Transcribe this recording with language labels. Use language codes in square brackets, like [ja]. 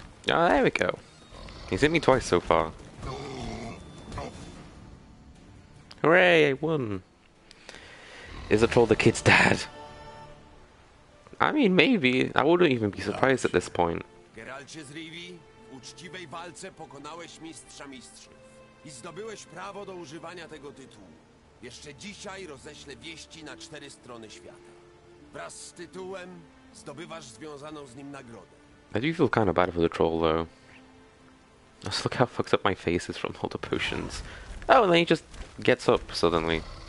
[en] Ah, oh, there we go. He's hit me twice so far. Hooray, I won! Is the troll the kid's dad? I mean, maybe. I wouldn't even be surprised at this point. [pl] Geralcie z Rivi, w uczciwej walce pokonałeś mistrza mistrzów i zdobyłeś prawo do używania tego tytułu. Jeszcze dzisiaj roześlę wieści na cztery strony świata. Wraz z tytułem zdobywasz związaną z nim nagrodę. [en] I do feel kind of bad for the troll, though. Just look how fucked up my face is from all the potions. Oh, and then he just gets up suddenly.